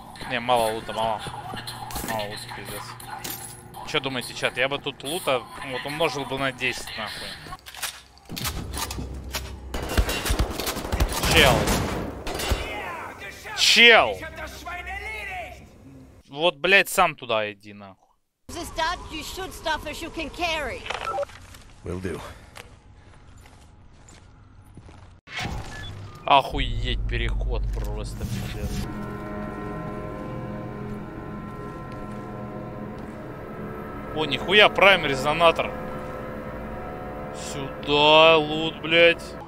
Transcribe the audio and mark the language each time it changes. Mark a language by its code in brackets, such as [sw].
[ru] Не, мало лута, мало. Мало лута, пиздец. Чё думаете, чат? Я бы тут лута вот умножил бы на 10, нахуй. Чел. Чел! Вот, блядь, сам туда иди, нахуй. [en] You should stuff as you can carry. Will do. [ru] Охуеть, переход просто пиздец. О, нихуя, прайм резонатор. Сюда лут, блять.